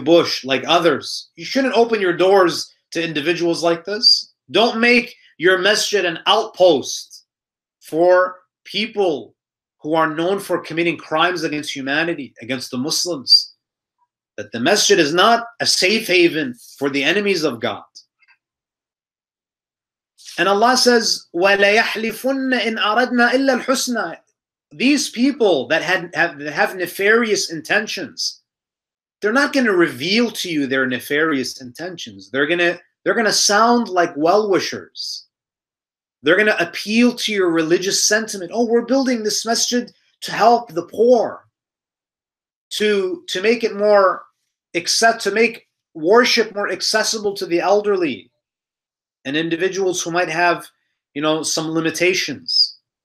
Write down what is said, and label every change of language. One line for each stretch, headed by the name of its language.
English: Bush, like others. You shouldn't open your doors to individuals like this. Don't make your masjid an outpost for people who are known for committing crimes against humanity, against the Muslims. That the masjid is not a safe haven for the enemies of God. And Allah says,
Arabic: وَلَيَحْلِفُنَّ إِنْ أَرَدْنَا إِلَّا الْحُسْنَى.
English: These people that have nefarious intentions, they're not going to reveal to you their nefarious intentions. They're gonna sound like well-wishers. They're going to appeal to your religious sentiment. Oh, we're building this masjid to help the poor, to make it more accept, to make worship more accessible to the elderly and individuals who might have, you know, some limitations.